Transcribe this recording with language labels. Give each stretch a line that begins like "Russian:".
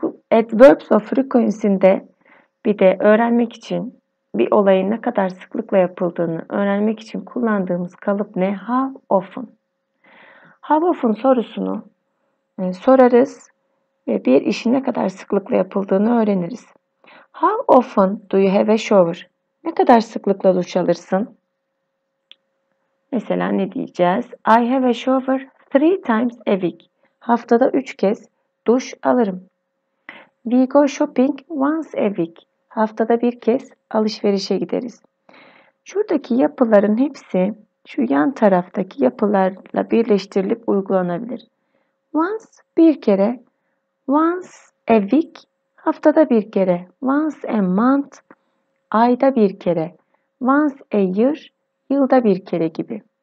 Turkish: Adverbs of frequency'de bir de öğrenmek için bir olayın ne kadar sıklıkla yapıldığını öğrenmek için kullandığımız kalıp ne? How often? How often sorusunu sorarız ve bir işin ne kadar sıklıkla yapıldığını öğreniriz.
English: How often do you have a shower?
Turkish: Ne kadar sıklıkla duş alırsın? Mesela ne diyeceğiz?
English: I have a shower 3 times a week.
Turkish: Haftada 3 kez duş alırım.
English: We go shopping once a week.
Turkish: Haftada bir kez alışverişe gideriz. Şuradaki yapıların hepsi şu yan taraftaki yapılarla birleştirilip uygulanabilir. Once bir kere, once a week haftada bir kere, once a month ayda bir kere, once a year yılda bir kere gibi.